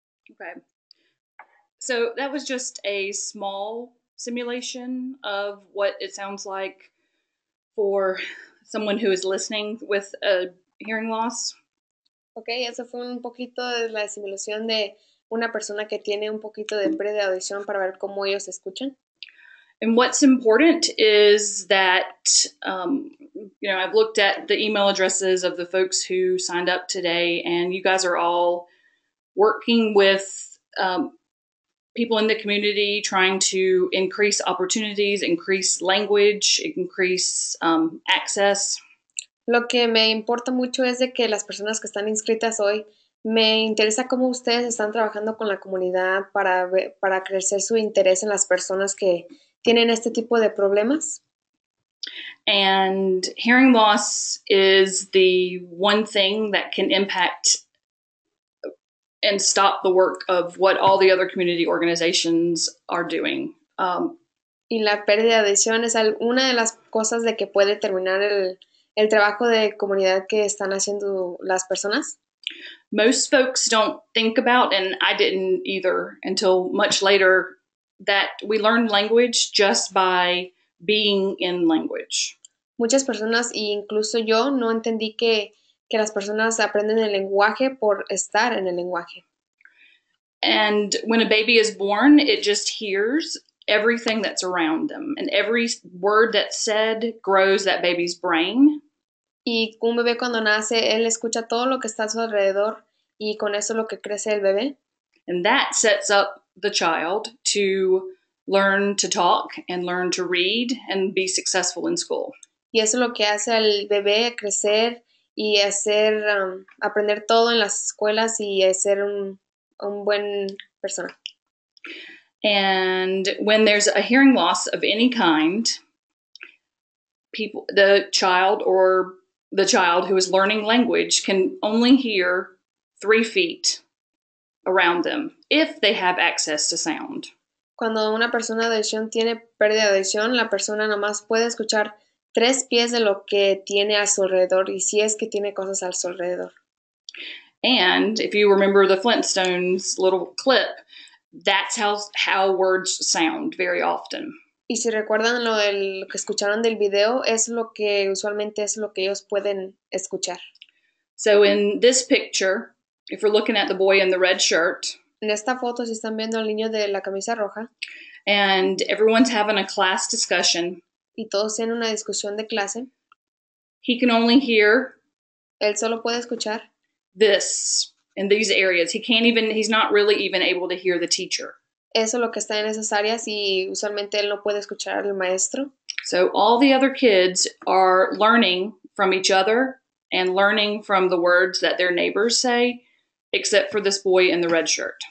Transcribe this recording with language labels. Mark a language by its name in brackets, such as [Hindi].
[English] Okay, so that was just a small simulation of what it sounds like for someone who is listening with a hearing loss. [Spanish] Okay, eso fue un poquito de la simulación de una persona que tiene un poquito de pre de audición para ver cómo ellos escuchan. [English] And what's important is that, you know, I've looked at the email addresses of the folks who signed up today, and you guys are all working with people in the community, trying to increase opportunities, increase language, increase access. [Spanish] Lo que me importa mucho es de que las personas que están inscritas hoy, me interesa cómo ustedes están trabajando con la comunidad para crecer su interés en las personas que tienen este tipo de problemas. [English] And hearing loss is the one thing that can impact and stop the work of what all the other community organizations are doing. [Spanish] Y la pérdida de audición es una de las cosas de que puede terminar el trabajo de comunidad que están haciendo las personas. [English] Most folks don't think about, and I didn't either until much later, that we learn language just by being in language. [Spanish] Muchas personas, e incluso yo, no entendí que las personas aprenden el lenguaje por estar en el lenguaje. [English] And when a baby is born, it just hears everything that's around them. And every word that's said grows that baby's brain. [Spanish] Y un bebé cuando nace, él escucha todo lo que está a su alrededor y con eso lo que crece el bebé. [English] And that sets up the child to learn to talk and learn to read and be successful in school. [Spanish] Y eso es lo que hace al bebé crecer y hacer aprender todo en las escuelas y ser un buen persona. [English] And when there's a hearing loss of any kind, the child who is learning language can only hear 3 feet around them if they have access to sound. [Spanish] Cuando una persona de audición tiene pérdida de audición, la persona nomás puede escuchar 3 pies de lo que tiene a su alrededor y si es que tiene cosas a su alrededor. [English] And if you remember the Flintstones little clip, that's how words sound very often. [Spanish] Y si recuerdan lo que escucharon del video, es lo que usualmente es lo que ellos pueden escuchar. [English] So in this picture, if we're looking at the boy in the red shirt, [Spanish] en esta foto si están viendo al niño de la camisa roja, [English] and everyone's having a class discussion, [Spanish] y todos tienen una discusión de clase, [English] he can only hear, [Spanish] él solo puede escuchar, [English] this, in these areas. He's not really even able to hear the teacher. [Spanish] Eso es lo que está en esas áreas y usualmente él no puede escuchar al maestro. [English] So all the other kids are learning from each other and learning from the words that their neighbors say, except for this boy in the red shirt.